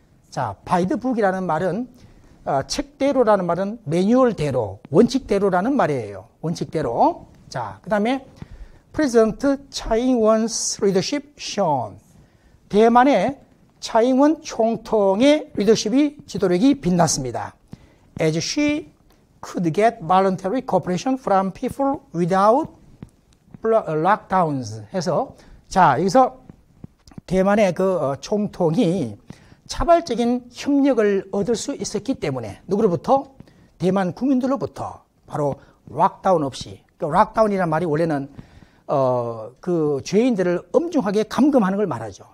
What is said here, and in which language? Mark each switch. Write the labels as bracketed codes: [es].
[ko] 자, 바이드북이라는 말은, 책대로라는 말은 매뉴얼대로, 원칙대로라는 말이에요. 원칙대로. 자, 그 다음에 [en] President Tsai-ing-wen's leadership shown. [ko] 대만의 차잉원 총통의 리더십이, 지도력이 빛났습니다. [en] As she could get voluntary cooperation from people without lockdowns. [ko] 해서, 자, 여기서 대만의 그 총통이 자발적인 협력을 얻을 수 있었기 때문에, 누구로부터? 대만 국민들로부터, 바로 락다운 없이. 락다운이란 말이 원래는 그 죄인들을 엄중하게 감금하는 걸 말하죠.